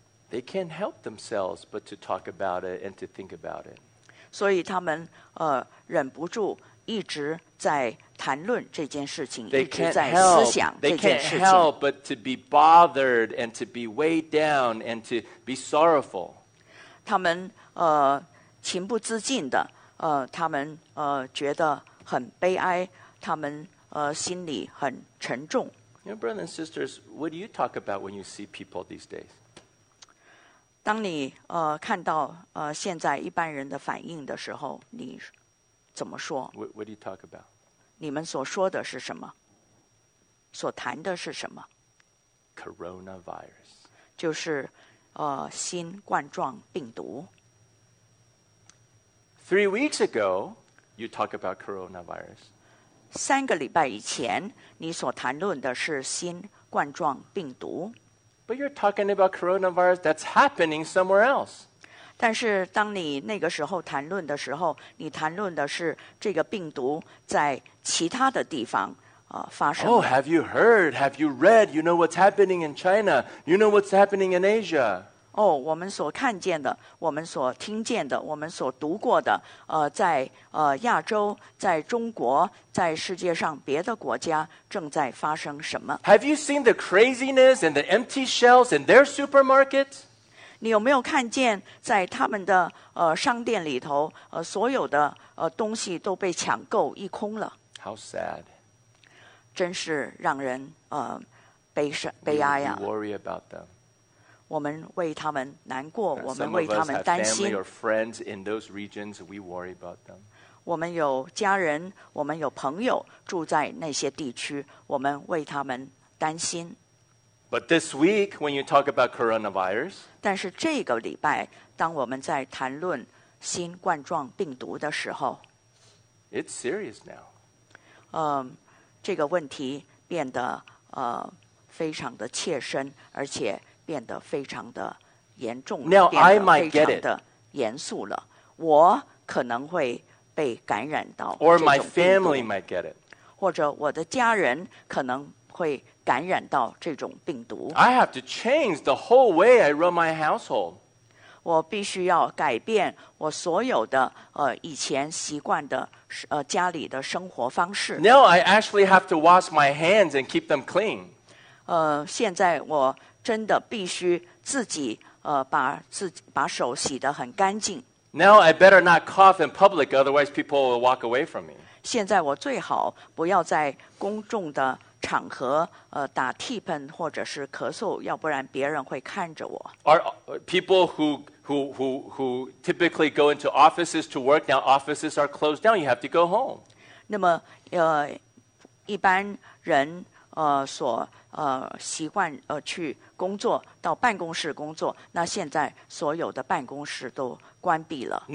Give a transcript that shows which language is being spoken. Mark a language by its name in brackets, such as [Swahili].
[English] They can't help themselves but to talk about it and to think about it. [Chinese] 所以他们忍不住一直在谈论这件事情，一直在思想这件事情。 [English] They can't help but to be bothered and to be weighed down and to be sorrowful. [Chinese] 他们情不自禁的他们觉得很悲哀，他们心里很沉重。 [English] You know, brothers and sisters, what do you talk about when you see people these days? [Chinese] 当你看到现在一般人的反应的时候，你怎么说？ [English] What do you talk about? [Chinese] 你们所说的是什么？所谈的是什么？ [English] Coronavirus. [Chinese] 就是新冠状病毒。 [English] 3 weeks ago, you talk about coronavirus. [Chinese] 三个礼拜以前，你所谈论的是新冠状病毒。 [English] But you're talking about coronavirus that's happening somewhere else. [Chinese] 但是当你那个时候谈论的时候，你谈论的是这个病毒在其他的地方发生。 [English] Oh, have you heard? Have you read? You know what's happening in China? You know what's happening in Asia? [Chinese] 我们所看见的，我们所听见的，我们所读过的，在亚洲，在中国，在世界上别的国家正在发生什么？ [English] Have you seen the craziness and the empty shelves in their supermarket? [Chinese] 你有没有看见在他们的商店里头，所有的东西都被抢购一空了？ [English] How sad. [Chinese] 真是让人悲哀呀。 [English] We worry about them. [Chinese] 我们为他们难过，我们为他们担心。 [English] Some of us have family or friends in those regions. We worry about them. [Chinese] 我们有家人，我们有朋友住在那些地区，我们为他们担心。 [English] But this week, when you talk about coronavirus, [Chinese] 但是这个礼拜，当我们在谈论新冠状病毒的时候， [English] It's serious now. [Chinese] 这个问题变得非常的切身，而且。变得非常的严重了 [English] Now, [Chinese] 变得非常的严肃了我可能会被感染到这种病毒 [English] Or my family might get it. [Chinese] 或者我的家人可能会感染到这种病毒 [English] I have to change the whole way I run my household. [Chinese] 我必须要改变我所有的以前习惯的家里的生活方式 [English] Now I actually have to wash my hands and keep them clean. [Chinese] 现在我真的必须自己把手洗得很干净。 [English] Now I better not cough in public, otherwise people will walk away from me. [Chinese] 现在我最好不要在公众的场合打嚏喷或者是咳嗽，要不然别人会看着我。 [English] Are people who typically go into offices to work now offices are closed down. You have to go home. [Chinese] 那么一般人所习惯去工作到办公室工作那现在所有的办公室都关闭了